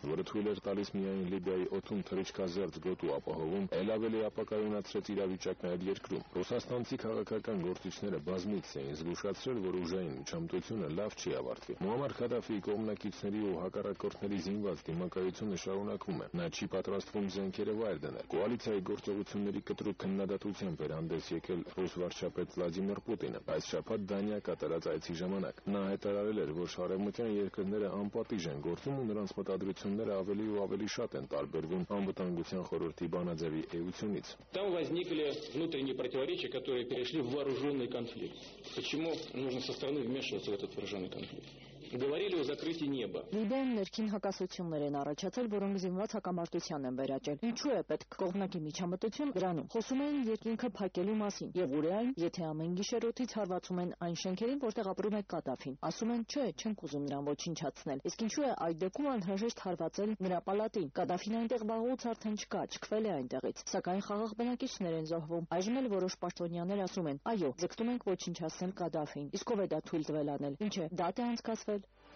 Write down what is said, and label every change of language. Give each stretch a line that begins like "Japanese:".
Armenian: որը թույլ էր տալիս միայն Լիբիայի օդում թռիչքազերծ գոտու ապահովում, այլ ավելի ապակայունացրեց իրավիճակն այդ երկրում։ Ռուսաստանցի քաղաքական գործիչները բազմից էին զգուշացրել, որ ուժային միջամտությունը լավ չի ավարտվի։ Մուամար Քադաֆիի կողմնակիցների ու հակառակորդների զինված դիմակայությունը շարունակվում է։ Նա չի պատրաստվում զենքերը վայր դնել։ Կոալիցիայի գործողությունների կտրուկ քննադատության վերանդես եկել ռուս վարչապետ Վլադիմիր Պուտինը, բայց շաբաթ Դանիա կատարած այցի ժամանակ նա հայտարարել էր, որ շարևմտյան երկրները անպատիժ են գործում ու նրանց մտադրությունները ավելի ու ավելի շատ են տարբերվում անվտանգության խորհրդի բանաձևի էությունից։
Russian: Там возникли внутренние противоречия, которые перешли в вооружённый конфликт. Почему нужно со стороны вмешиваться в этот вооружённый конфликт? Говорили о закрытии неба.
Armenian: Լիբիայում ներքին հակասություններ են առաջացել, որոնք զինված հակամարտության են վերաճել։ Ինչու է պետք կողմնակի միջամտություն դրանում։ Խոսում են երկինքը փակելու մասին, եւ ուրեմն, եթե ամեն գիշերօթից հարվածում են այն շենքերին, որտեղ ապրում է Կադաֆին, ասում են, չէ, չենք ուզում նրան ոչնչացնել։ Իսկ ինչու է այդ դեպքում անհրաժեշտ հարվածել նրա պալատին։ Կադաֆին այնտեղ վաղուց արդեն չկա, չքվել է այնտեղից։ Սակայն խաղաղ բնակիչներ են զոհվում։ Այժմ էլ որոշ պաշտոնյաներ ասում են, այո, ձգտում ենք ոչնչացնել Կադաֆին։ Իսկ ով է դա թույլ տվել անել։ Ինչ է, դատ է անցկացվել։